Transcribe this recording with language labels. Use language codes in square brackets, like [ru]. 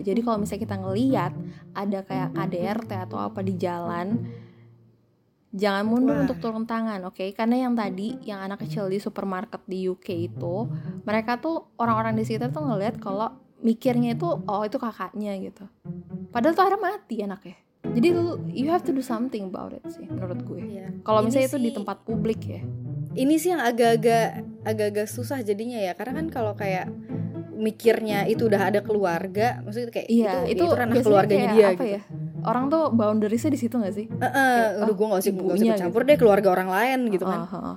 [id] Jadi kalau misalnya kita ngelihat ada kayak KDRT atau apa di jalan, jangan mundur. Wah. Untuk turun tangan, oke? Okay? Karena yang tadi yang anak kecil di supermarket di UK itu, mereka tuh orang-orang di sekitar tuh ngelihat kalau mikirnya itu oh itu kakaknya gitu. Padahal tuh ada mati anaknya. [en] Jadi you have to do something about it sih [id] menurut gue. [en] Yeah. [id] Kalau misalnya itu di tempat publik ya. Ini sih yang agak-agak susah jadinya ya, karena kan kalau kayak mikirnya itu udah ada keluarga, maksudnya kayak itu ranah keluarganya dia apa gitu. Ya? Orang tuh boundariesnya di situ nggak sih? Udah gue nggak usah campur gitu. Deh keluarga orang lain gitu kan.